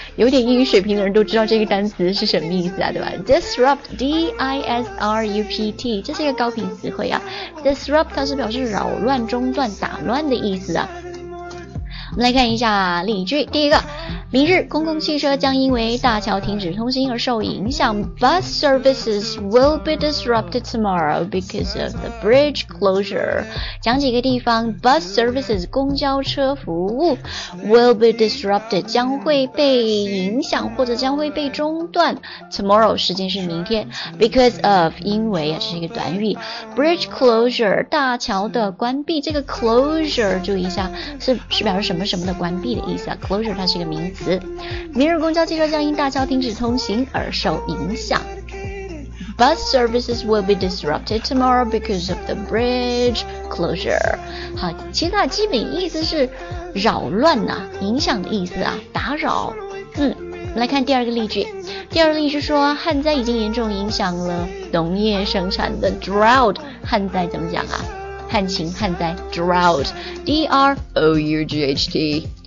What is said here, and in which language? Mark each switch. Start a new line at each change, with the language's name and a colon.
Chinese: 有点英语水平的人都知道这个单词是什么意思啊，对吧？ Disrupt, D-I-S-R-U-P-T, 这是一个高频词汇啊。 Disrupt 它是表示扰乱、中断、打乱的意思啊。我们来看一下例句，第一个，明日公共汽车将因为大桥停止通行而受影响。
English: Bus services will be disrupted tomorrow because of the bridge closure.
Chinese: 讲几个地方 ，
English: bus services
Chinese: 公交车服务
English: will be disrupted
Chinese: 将会被影响或者将会被中断。 Tomorrow 时间是明天 ，because of 因为啊，这是一个短语。 Bridge closure 大桥的关闭，这个 closure 注意一下是表示什么什么的关闭的意思啊 ？Closure 它是一个名词。明日公交汽车将因大桥停止通行而受影响。
English: Bus services will be disrupted tomorrow because of the bridge closure.
Chinese: 好，其他基本意思是扰乱啊，影响的意思啊，打扰。我们来看第二个例句。第二个例句说，旱灾已经严重影响了农业生产的 drought. 旱灾怎么讲啊？旱情、旱灾 drought. D-R-O-U-G-H-T.